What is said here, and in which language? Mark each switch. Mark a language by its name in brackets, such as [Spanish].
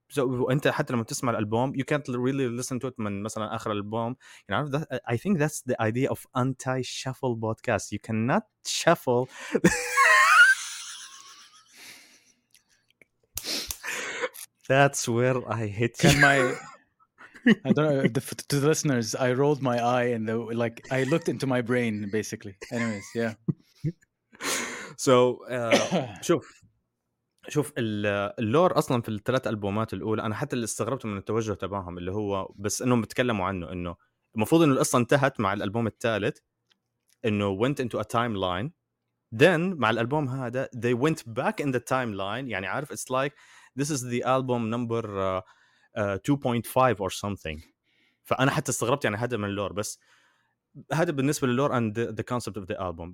[Arabic] So أنت حتى لما تسمع الألبوم, [English] you can't really listen to it [Arabic] من مثلاً آخر الألبوم. [English] You know, that, I think that's the idea of anti-shuffle podcast. You cannot shuffle. That's where I hit you. I don't know, to the listeners, I rolled my eye and like I looked into my brain, basically. Anyways, yeah. [Arabic] So, شوف اللور أصلاً في الثلاث ألبومات الأولى, أنا حتى اللي استغربت من التوجه تبعهم اللي هو بس أنهم بتكلموا عنه أنه المفروض أنه القصة انتهت مع الألبوم الثالث, أنه [English] went into a timeline, [Arabic] then مع الألبوم هذا [English] they went back in the timeline. [Arabic] يعني عارف, [English] it's like this is the album number 2.5 or something. [Arabic] فأنا حتى استغربت يعني هذا من اللور, بس هذا بالنسبة للور [English] and the concept of the album.